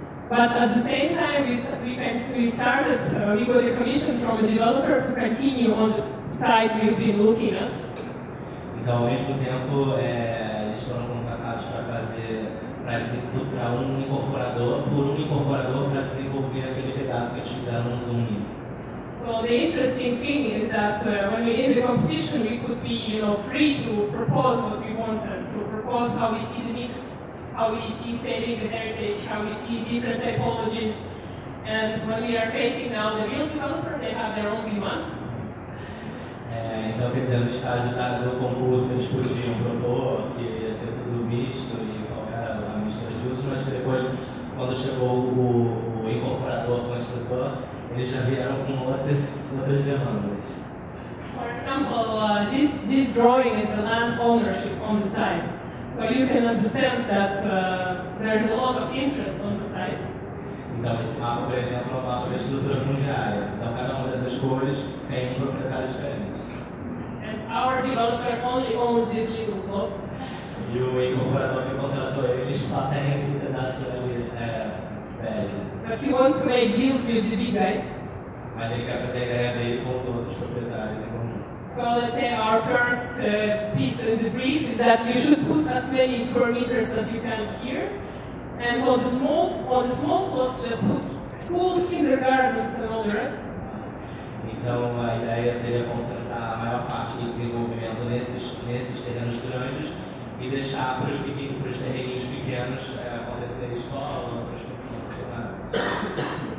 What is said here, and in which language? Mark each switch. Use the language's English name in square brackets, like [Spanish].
[English] But at the same time, we got a commission from the developer to continue on the site we've been looking at. [Portuguese] Então, ao mesmo tempo, eles foram contratados para um incorporador para desenvolver aquele pedaço que eles fizeram no Zoom. [English] So the interesting thing is that when we in the competition, we could be, you know, free to propose what we wanted, to propose how we see the mix, how we see saving the heritage, how we see different typologies. And when we are facing now the real developer, they have their own demands. [Portuguese] Então, quer dizer, no estágio do concurso, eles podiam propor que ia ser tudo misto e qualquer uma mistura de uso, mas depois, quando chegou o incorporador com o instrutor, eles já vieram com outras demandas. [English] For example, this drawing is the land ownership on the site. So you can understand that there is a lot of interest on the site. [Portuguese] Então, esse mapa, por exemplo, é o mapa da estrutura fundiária. Então, cada uma dessas cores tem um proprietário diferente. [English] Our developer only owns this little plot. [Portuguese] E o incorporador que contratou ele só tem um pedaço ali, bege. [English] But he wants to make deals with the big guys. [Portuguese] Mas ele quer fazer ideia dele com os outros proprietários em comum. [English] So let's say our first piece in the brief is that you should put as many square meters as you can here. And on the small plots, just put schools, kindergartens and all the rest. [Portuguese] Então a ideia seria concentrar a maior parte do desenvolvimento nesses terrenos grandes e deixar para os terreninhos pequenos acontecer escola, para os pequenos funcionários.